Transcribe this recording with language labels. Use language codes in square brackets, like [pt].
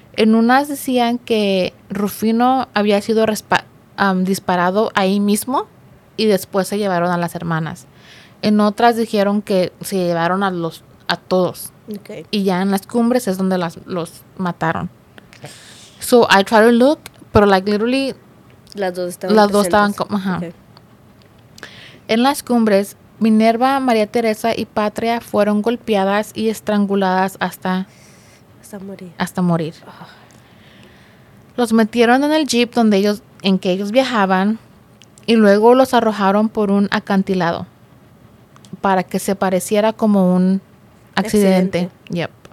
[es] En unas decían que Rufino había sido disparado ahí mismo y después se llevaron a las hermanas. En otras dijeron que se llevaron a todos. [en] Okay. [es] Y ya en las cumbres es donde los mataron. [en] So I tried to look, pero like literally [es] las dos estaban como ajá. Okay. En las cumbres, Minerva, María Teresa y Patria fueron golpeadas y estranguladas hasta morir. Los metieron en el jeep en que ellos viajaban y luego los arrojaron por un acantilado para que se pareciera como un accidente. Yep.